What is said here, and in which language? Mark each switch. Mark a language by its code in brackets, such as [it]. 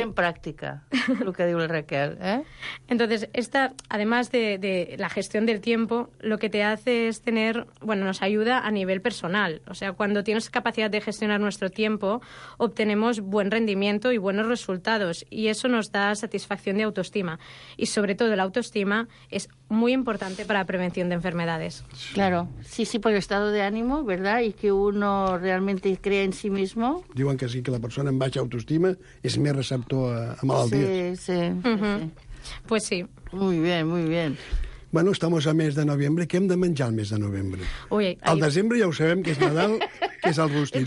[ca] En pràctica, el que diu la Raquel, eh? [es] Entonces, esta, además de la gestión del tiempo, lo que te hace es tener, bueno, nos ayuda a nivel personal. O sea, cuando tienes capacidad de gestionar nuestro tiempo, obtenemos buen rendimiento y buenos resultados, y eso nos da satisfacción de autoestima. Y sobre todo la autoestima es muy importante para la prevención de enfermedades. Claro, sí, sí, por el estado de ánimo, ¿verdad? Y que uno realmente crea en sí mismo. [ca] Diuen que sí, que la persona amb baixa autoestima és més receptor a malalties. Sí, sí, sí. [es] Pues sí. Muy bien, muy bien. [ca] Bueno, estamos a mes de novembre. ¿Qué hem de menjar al mes de novembre? Ui, el desembre ja ho sabem, que és Nadal, que és el rústic.